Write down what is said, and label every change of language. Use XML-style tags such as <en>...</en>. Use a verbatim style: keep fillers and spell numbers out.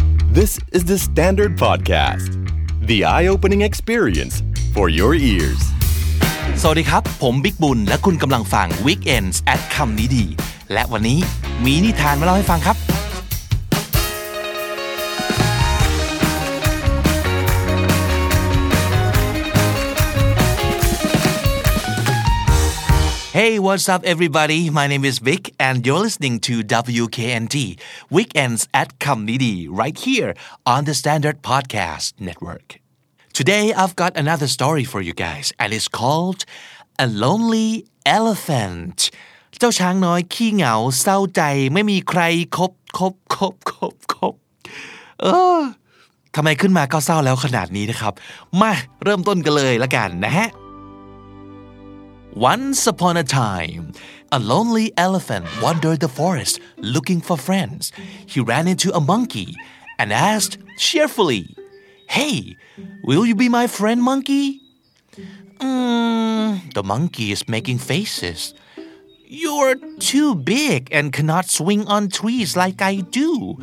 <en>This is the Standard Podcast, the eye-opening experience for your ears.</en> <th>สวัสดีครับผมบิ๊กบุญและคุณกำลังฟัง Weekends at คำนี้ดีและวันนี้มีนิทานมาเล่าให้ฟังครับ</th> <en>Hey, what's up, everybody? My name is Vic, and you're listening to ดับเบิลยู เค เอ็น ทีWeekends at คำนี้ดี right here on the Standard Podcast Network. Today, I've got another story for you guys, and it's called A Lonely Elephant.</en> <th>เจ้าช้างน้อยขี้เหงาเศร้าใจไม่มีใครคบคบคบคบคบเออทำไมขึ้นมาก็เศร้าแล้วขนาดนี้นะครับมาเริ่มต้นกันเลยละกันนะฮะ</th> <en>Once upon a time, a lonely elephant wandered the forest looking for friends. He ran into a monkey and asked cheerfully, "Hey, will you be my friend, monkey?" Mm, the monkey is making faces. "You're too big and cannot swing on trees like I do.</en>